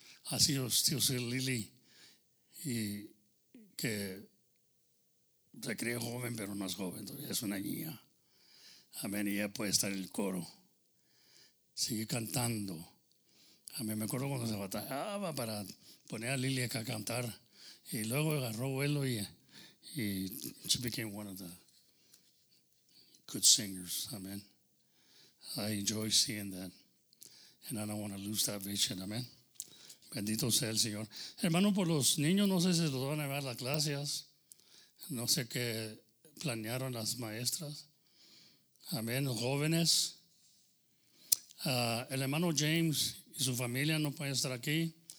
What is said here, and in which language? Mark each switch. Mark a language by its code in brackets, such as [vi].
[es] Así yo [en] still see [es] Lily. Y que se cree joven, pero no es joven todavía. Es una niña. Amén. Y ya puede estar en el coro. Sigue cantando. A mí me acuerdo cuando se batallaba para poner a Lily acá a cantar. Y luego agarró vuelo y [en] she became one of the good singers. Amen. I enjoy seeing that. And I don't want to lose that vision. [es] Amen. Bendito sea el Señor. Hermano, por los niños, no sé si los van a llevar las clases. No sé qué planearon las maestras. Amén. Los jóvenes. El hermano James y su familia no pueden estar aquí.